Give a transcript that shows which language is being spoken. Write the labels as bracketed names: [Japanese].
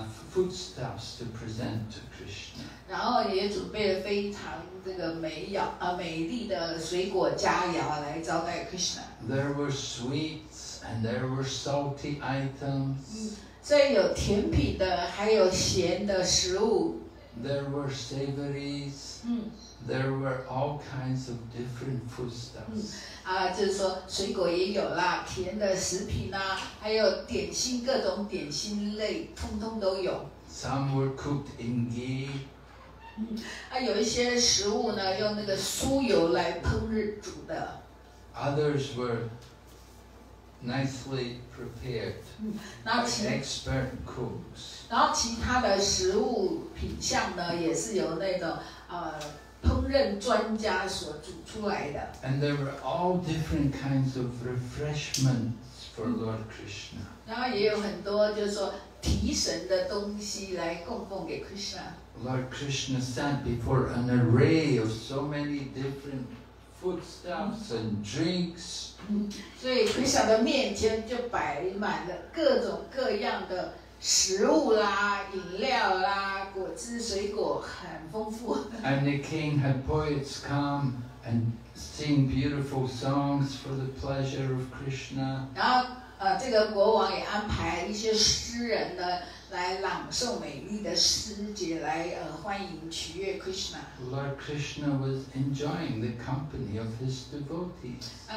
[English] Foodstuffs to present to Krishna. [Chinese] 然后也准备了非常这个美丽的水果佳肴来招待 Krishna. [English] There were sweets and there were salty items. [Chinese] 这有甜品的，还有咸的食物。 [English] There were savories. There were all kinds of different foodstuffs. [Chinese] 就是说水果也有啦，甜的食品啊，还有点心，各种点心类，通通都有。 [English] Some were cooked in ghee. [Chinese] 有一些食物呢，用那个酥油来烹制煮的。 [English] Others were nicely prepared expert cooks. [Chinese] 然后其他的食物品项呢，也是由那个烹饪专家所煮出来的。 [English] And there were all different kinds of refreshments for Lord Krishna. [Chinese] 然后也有很多就是说提神的东西来供奉给 Krishna。 [English] Lord Krishna sat before an array of so many different foodstuffs and drinks. [Chinese] 所以 Krishna 的面前就摆满了各种各样的食物啦、饮料啦、果汁、水果，很丰富。 [English] And the king had poets come and sing beautiful songs for the pleasure of Krishna. [Chinese] 然后，这个国王也安排一些诗人呢。来朗诵美丽的诗节来欢迎取悦 Krishna. [English] Lord Krishna was enjoying the company of his devotees.